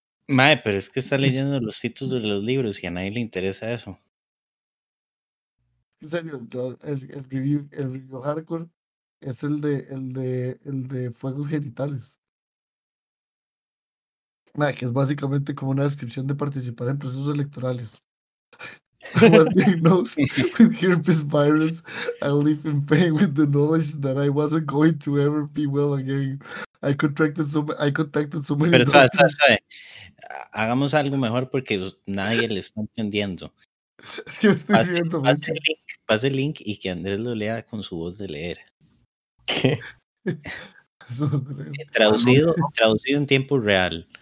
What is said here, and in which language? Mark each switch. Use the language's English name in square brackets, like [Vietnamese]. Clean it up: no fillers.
[Spanish] Mae, pero es que está leyendo los títulos de los libros y a nadie le interesa eso. En serio, el review hardcore es el de fuegos genitales. Mae, que es básicamente como una descripción de participar en procesos electorales. [English] Was diagnosed with herpes virus. I live in pain with the knowledge that I wasn't going to ever be well again. I contacted so many. [Spanish] Pero sabe. Hagamos algo mejor porque nadie le está entendiendo. Es que me estoy riendo. Pase el link y que Andrés lo lea con su voz de leer. ¿Qué? Traducido, traducido en tiempo real.